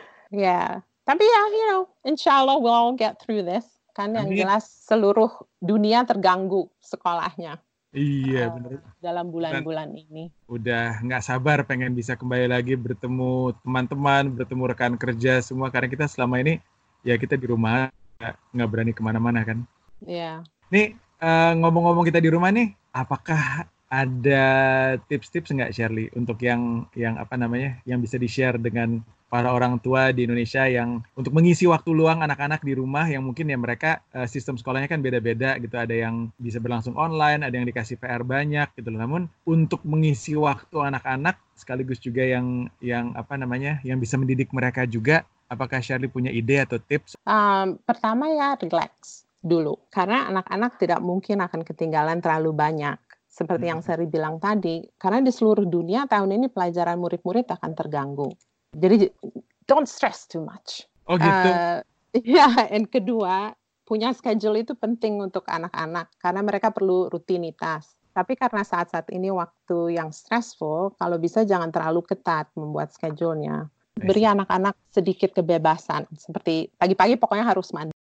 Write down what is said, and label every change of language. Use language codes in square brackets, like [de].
[en] Yeah, [id] tapi ya, [en] you know, insya Allah we'll all get through this. [id] Kan yang jelas seluruh dunia terganggu sekolahnya. Iya benar. Dalam bulan-bulan ini. Udah nggak sabar pengen bisa kembali lagi bertemu teman-teman, bertemu rekan kerja semua. Karena kita selama ini ya kita di rumah nggak berani kemana-mana kan. [en] Yeah. [id] Nih ngomong-ngomong kita di rumah nih, apakah ada tips-tips nggak Shirley untuk yang apa namanya yang bisa di-share dengan para orang tua di Indonesia yang untuk mengisi waktu luang anak-anak di rumah yang mungkin ya mereka sistem sekolahnya kan beda-beda gitu, ada yang bisa berlangsung online, ada yang dikasih PR banyak gitu loh. Namun untuk mengisi waktu anak-anak sekaligus juga yang apa namanya yang bisa mendidik mereka juga, apakah Shirley punya ide atau tips? Pertama ya relax dulu, karena anak-anak tidak mungkin akan ketinggalan terlalu banyak. Seperti yang Sari bilang tadi, karena di seluruh dunia tahun ini pelajaran murid-murid akan terganggu. [en] Jadi, don't stress too much. [id] Oh gitu? Ya, dan kedua, punya schedule itu penting untuk anak-anak, karena mereka perlu rutinitas. Tapi karena saat-saat ini waktu yang stressful, kalau bisa jangan terlalu ketat membuat schedule-nya. Beri anak-anak sedikit kebebasan, seperti pagi-pagi pokoknya harus mandi.